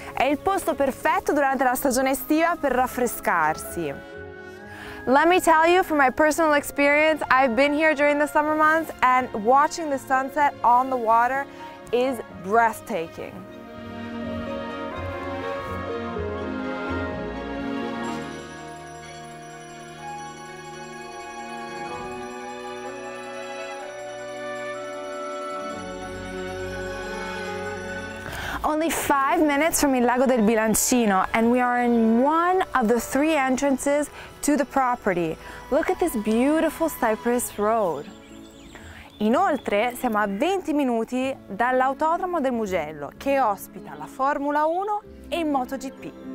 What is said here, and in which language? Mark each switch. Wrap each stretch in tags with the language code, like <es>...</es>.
<it>È il posto perfetto durante la stagione estiva per raffrescarsi.</it> <en>Let me tell you from my personal experience, I've been here during the summer months and watching the sunset on the water is breathtaking. Only 5 minutes from il Lago del Bilancino, and we are in one of the three entrances to the property. Look at this beautiful cypress road.</en> <it>Inoltre, siamo a 20 minuti dall'autodromo del Mugello, che ospita la Formula 1 e il MotoGP.</it>